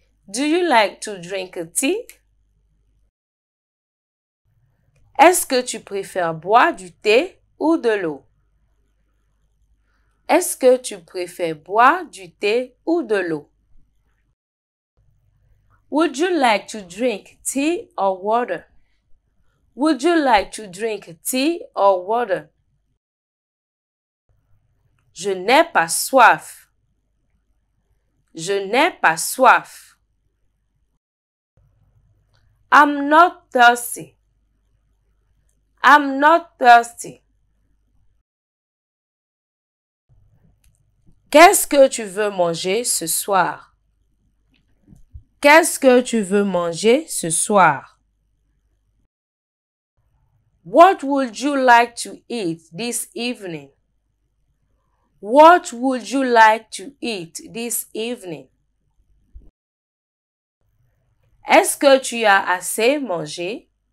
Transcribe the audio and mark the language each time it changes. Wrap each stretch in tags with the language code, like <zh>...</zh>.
<en>Do you like to drink tea?</en> <fr>Est-ce que tu préfères boire du thé ou de l'eau? Est-ce que tu préfères boire du thé ou de l'eau?</fr> <en>Would you like to drink tea or water? Would you like to drink tea or water?</en> <fr>Je n'ai pas soif. Je n'ai pas soif.</fr> <en>I'm not thirsty. I'm not thirsty.</en> <fr>Qu'est-ce que tu veux manger ce soir? Qu'est-ce que tu veux manger ce soir?</fr> <en>What would you like to eat this evening? What would you like to eat this evening?</en> <fr>Est-ce que tu as assez mangé?</fr>